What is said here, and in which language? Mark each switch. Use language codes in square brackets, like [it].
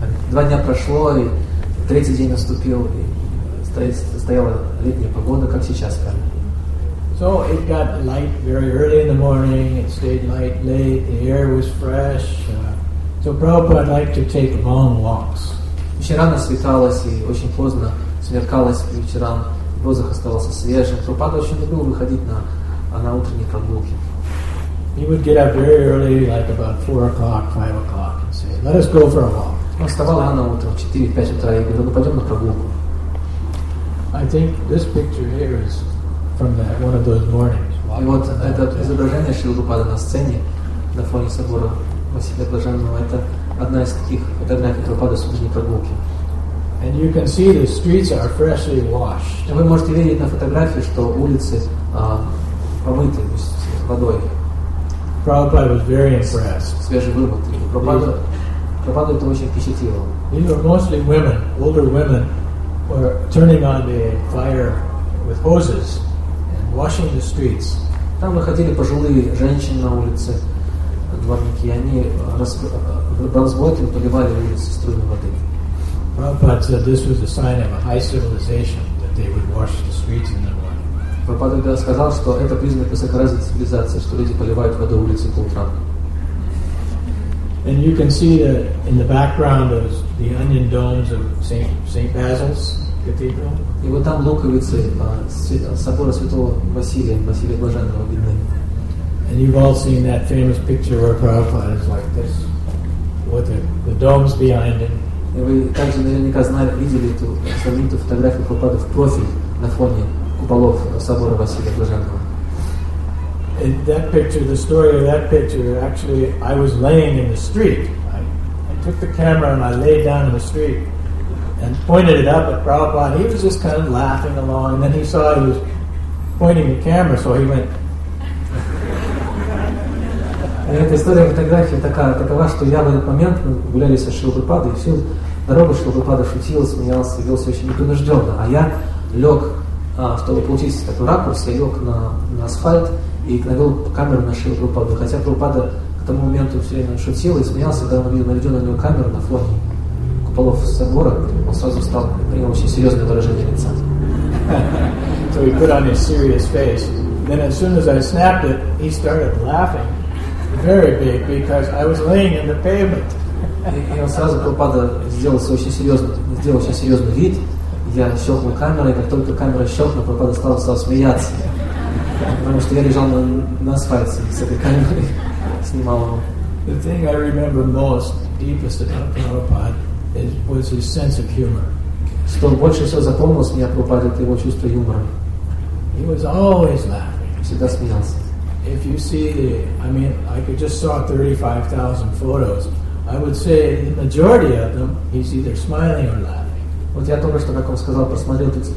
[ru] Два дня прошло, и третий день наступил, и стояла летняя погода, как сейчас. [en] So it got light very early in the morning. It stayed light late. The air was fresh. So Prabhupada liked to take long walks. [ru] Очень рано светалось, и очень поздно смеркалось по вечерам. Воздух оставался свежим. Прабхупада очень любил выходить на утренние прогулки. [en] He would get up very early, like about 4 o'clock, 5 o'clock, and say, "Let us go for a walk." [ru] Он вставал рано утром, 4-5 утра, и говорил, ну пойдем на прогулку. [en] I think this picture here is from that, one of those mornings. [ru] И вот это изображение Шрилы Прабхупады на сцене, на фоне собора Василия Блаженного, это одна из таких фотографий Прабхупады с утренней прогулки. [en] And you can see the streets are freshly washed. [ru] И вы можете видеть на фотографии, что улицы помыты водой. [en] Prabhupada was very impressed. [ru] Прабхупада это очень впечатлило. [en] These were mostly women, older women, were turning on the fire with hoses and washing the streets. [ru] Там выходили пожилые женщины на улице, дворники, они разводили, поливали улицы струйной воды. [en] Prabhupada said this was a sign of a high civilization that they would wash the streets in the morning. [ru] Прабхупада тогда сказал, что это признак высокоразвитой цивилизации, что люди поливают воду улицы по утрам. [en] And you can see that in the background is the onion domes of Saint Basil's Cathedral. [ru] И вот там луковицы собора Святого Василия Блаженного видны. [en] And you've all seen that famous picture where Prabhupada is like this, with the domes behind him. [ru] И вы также наверняка видели эту знаменитую фотографию Прабхупады в профиль на фоне куполов собора Василия Блаженного. [en] In that picture, the story of that picture, actually, I was laying in the street. I took the camera and I laid down in the street and pointed it up at Prabhupada. He was just kind of laughing along, and then he saw he was pointing the camera, so he went. [ru] И эта история фотографии такова, что я в этот момент гуляли со Шрилой Прабхупадой, и всю дорогу Шрилы Прабхупады шутил, смеялся, вел себя очень непринужденно. А я лег, чтобы получить такой ракурс, я лег на асфальт и навел камеру на Шрилу Прабхупаду. Хотя Прабхупада к тому моменту все время шутил и смеялся, когда он увидел наведенную камеру на фоне куполов собора, он сразу встал, принял очень серьезное выражение лица. [en] So he put on his serious face. Then as soon as I snapped it, he started laughing. Very big, because I was laying in the pavement. [ru] И он сразу Прабхупада сделал очень серьезный вид. Я щелкнул камерой, и как только камера щелкнула, Прабхупада стал смеяться. Потому что я лежал на асфальте с этой камерой, снимал его. [en] The thing I remember most, deepest about Prabhupada, was his sense of humor. [ru] Что больше всего запомнилось мне о Прабхупаде, это его чувство юмора. [en] He was always laughing. [ru] Всегда смеялся. [en] If you see the, I mean, I could just saw 35,000 photos. I would say the majority of them, he's either smiling or laughing. [ru] Вот я только что, как вам сказал, просмотрел